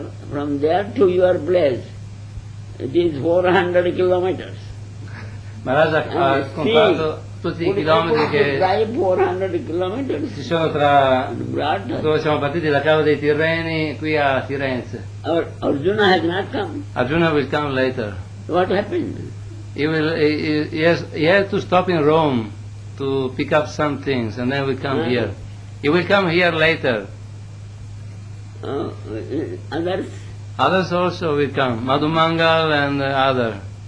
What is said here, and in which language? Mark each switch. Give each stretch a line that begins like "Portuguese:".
English: From there to your place, it is 400 kilometers.
Italian: Maharaj ha contato tutti i chilometri che 400 km. Ci sono tra dove siamo partiti, da Cavo dei Tirreni qui a Firenze.
English: Arjuna has not come. Arjuna will come later. What happened? He has to stop in Rome to pick up some things and then we come here. He will come here later. Others? Others also will come, Madhu Mangal and other.